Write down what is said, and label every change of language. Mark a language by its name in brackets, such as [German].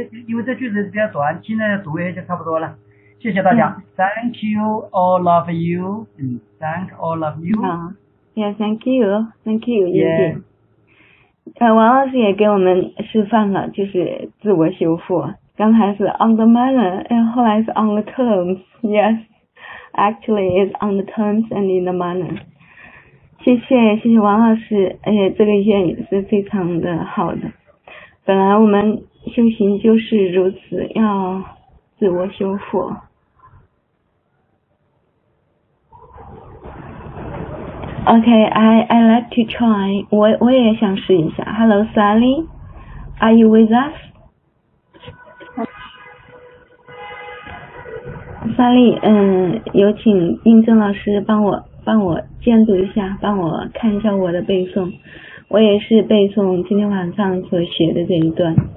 [Chinese] 因为这句子比较短，听大家读也就差不多了。谢谢大家。 [English] Thank you, all of you. Thank all of you. Yeah, thank you. Thank you. Yeah. [Chinese] 王老师也给我们示范了，就是自我修复。刚才是 [English] on the manner， [Chinese] 后来是 [English] on the terms。 Yes， actually is on the terms and in the manner。 [Chinese] 谢谢王老师，这个愿也是非常的好的。本来我们修行就是如此，要自我修复。 [English] Okay, I like to try. [Chinese] 我也想试一下。 [English] Hello, Sally, are you with us? [Chinese] Sally, 有请应正老师帮我监督一下，帮我看一下我的背诵。我也是背诵今天晚上所学的这一段。